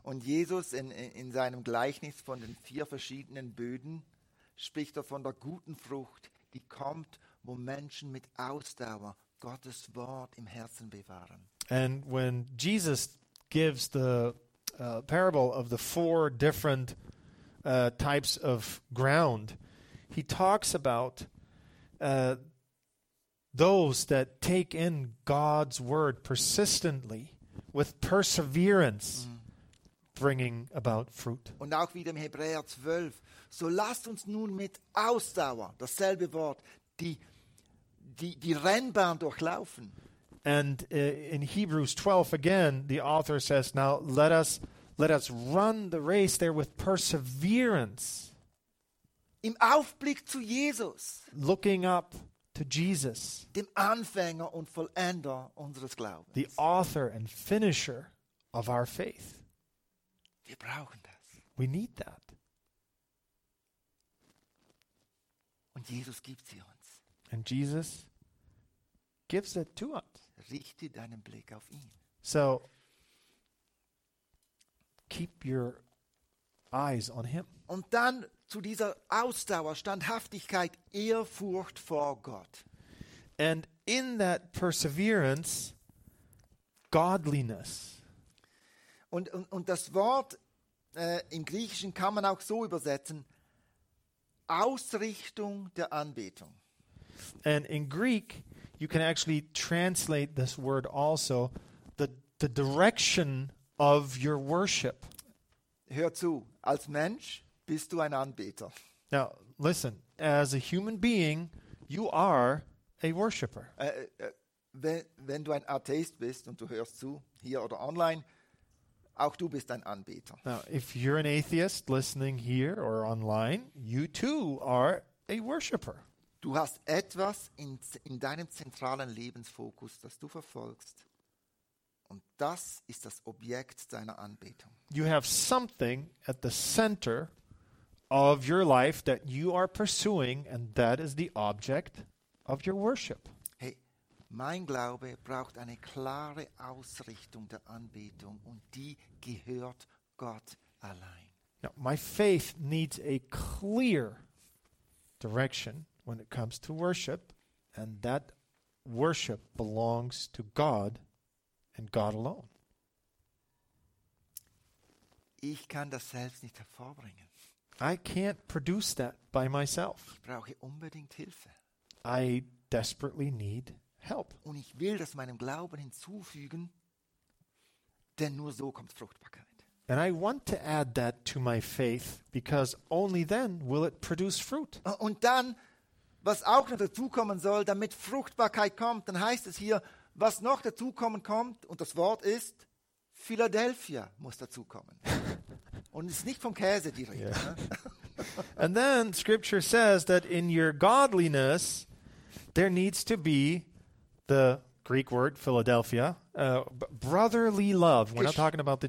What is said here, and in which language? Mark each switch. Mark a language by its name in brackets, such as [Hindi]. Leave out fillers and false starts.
[German] Und Jesus in seinem Gleichnis von den vier verschiedenen Böden spricht er von der guten Frucht, die kommt, wo Menschen mit Ausdauer Gottes Wort im Herzen bewahren. [English] And when Jesus gives the parable of the four different types of ground, he talks about those that take in God's word persistently with perseverance. Mm. Bringing about fruit. [German] Und auch wieder im Hebräer 12. So lasst uns nun mit Ausdauer, dasselbe Wort, die Rennbahn durchlaufen. [English] And in Hebrews 12 again, the author says, now let us Let us run the race there with perseverance. [German] Im Aufblick zu Jesus. [English] Looking up to Jesus. [German] Dem Anfänger und Vollender unseres Glaubens. [English] The author and finisher of our faith. [German] Wir brauchen das. [English] We need that. [German] Und Jesus gibt sie uns. [English] And Jesus gives it to us. [German] Richte deinen Blick auf ihn. [English] So, keep your eyes on him. [German] Und dann zu dieser Ausdauer, Standhaftigkeit, Ehrfurcht vor Gott. [English] And in that perseverance, godliness. [German] Und das Wort im Griechischen kann man auch so übersetzen, Ausrichtung der Anbetung. [English] And in Greek, you can actually translate this word also, the direction of your worship. [German] Hör zu, als Mensch bist du ein Anbeter. [English] Now, listen, as a human being, you are a worshipper. [German] Wenn du ein Atheist bist und du hörst zu, hier oder online, auch du bist ein Anbeter. [English] Now, if you're an atheist listening here or online, you too are a worshipper. [German] Du hast etwas in deinem zentralen Lebensfokus, das du verfolgst, und das ist das Objekt deiner Anbetung. [English] You have something at the center of your life that you are pursuing, and that is the object of your worship. [German] Hey, mein Glaube braucht eine klare Ausrichtung der Anbetung, und die gehört Gott allein. [English] Now, my faith needs a clear direction when it comes to worship, and that worship belongs to God and God alone. [German] Ich kann das selbst nicht hervorbringen. [English] I can't produce that by myself. [German] Ich brauche unbedingt Hilfe. [English] I desperately need help. [German] Und ich will das meinem Glauben hinzufügen, denn nur so kommt Fruchtbarkeit. [English] And I want to add that to my faith, because only then will it produce fruit. [German] Und dann, was auch noch dazukommen soll, damit Fruchtbarkeit kommt, dann heißt es hier, was noch dazukommen kommt, und das Wort ist, Philadelphia muss dazukommen. Und es ist nicht vom Käse die Rede. Yeah. [English] And then scripture says that in your godliness, there needs to be the Greek word Philadelphia, brotherly love. We're not talking about the